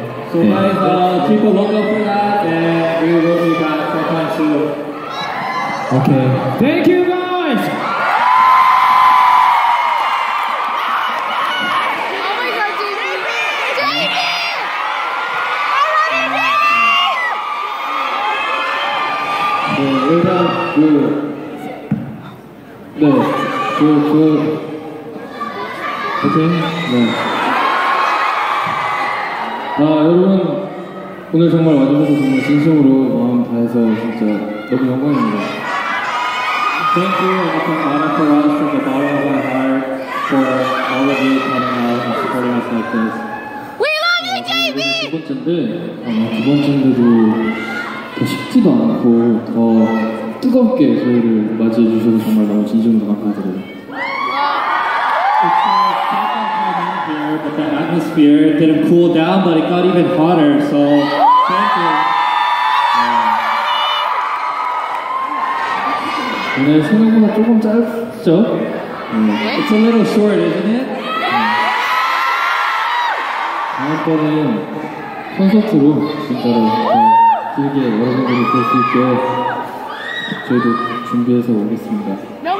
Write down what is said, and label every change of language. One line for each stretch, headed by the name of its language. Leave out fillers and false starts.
English: So guys, keep a lookout for that, and we will be back sometime soon. Okay. Thank you, guys. noise!
Korean: Okay. 네. 아 여러분 오늘 정말 와주셔서 정말 진심으로 마음 다해서 진짜 너무 영광입니다.
English: Thank you, I can honor for us from the bottom of my heart for all of you coming out and supporting us like this. We love you, JB.
Korean: 두 번째인데 두 번째인데도 더 쉽지도 않고 더 뜨겁게 저희를 맞이해 주셔서 정말 너무 진심으로 감사드려요.
English: But the atmosphere didn't cool down, but it got even hotter, so thank you.
Korean: 오늘 생각보다 조금 짧죠?
English: It's a little short, isn't it?
Korean: 다음번에는 콘서트로 진짜로 길게 여러분들을 볼 수 있게 저희도 준비해서 오겠습니다.